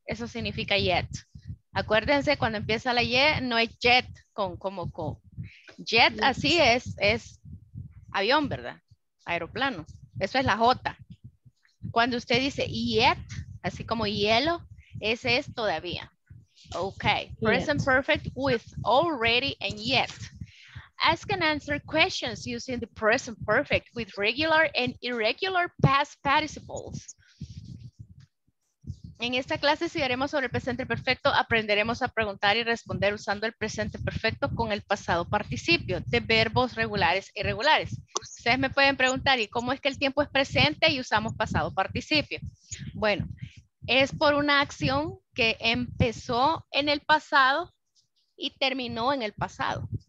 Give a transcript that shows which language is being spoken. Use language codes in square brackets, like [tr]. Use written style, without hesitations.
[es] Eso significa yet. Acuérdense, cuando empieza la yet, no es jet como. Jet así es avión, ¿verdad? Aeroplano. Eso es la J. Cuando usted dice yet, así como hielo, ese es todavía. [en] Okay. Present perfect with already and yet. Ask and answer questions using the present perfect with regular and irregular past participles. [es] En esta clase estudiaremos sobre el presente perfecto. Aprenderemos a preguntar y responder usando el presente perfecto con el pasado participio de verbos regulares e irregulares. Ustedes me pueden preguntar, ¿y cómo es que el tiempo es presente y usamos pasado participio? Bueno, es por una acción que empezó en el pasado y terminó en el pasado.